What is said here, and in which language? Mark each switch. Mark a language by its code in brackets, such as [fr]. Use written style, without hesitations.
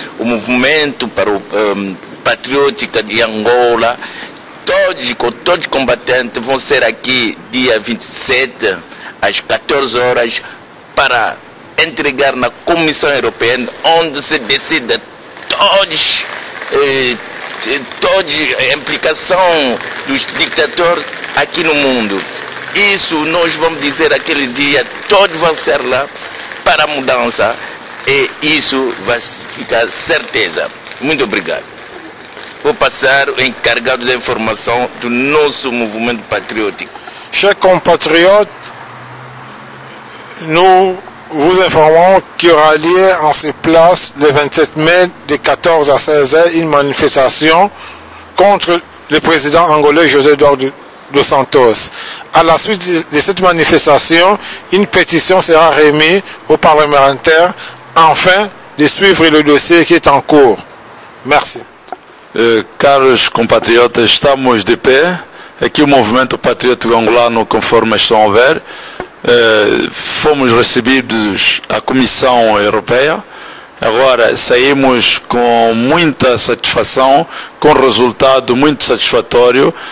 [pt] O movimento para o patriótica de Angola, todos os combatentes vão ser aqui dia 27 às 14 horas para entregar na Comissão Europeia, onde se decida toda a implicação dos ditadores aqui no mundo. Isso nós vamos dizer aquele dia, todos vão ser lá para a mudança e isso vai ficar certeza. Muito obrigado. Vou passar o encarregado da informação do nosso movimento patriótico. [fr] Chers compatriotes, nous vous informons qu'il y aura lieu en ce place le 27 mai de 14 à 16 heures une manifestation contre le président angolais José Eduardo dos Santos. À la suite de cette manifestation, une pétition sera remise aux parlementaires afin de suivre le dossier qui est en cours. Merci. [pt] Caros compatriotas, estamos de pé. Aqui o movimento patriótico angolano, conforme estão a ver, fomos recebidos à Comissão Europeia. Agora saímos com muita satisfação, com resultado muito satisfatório.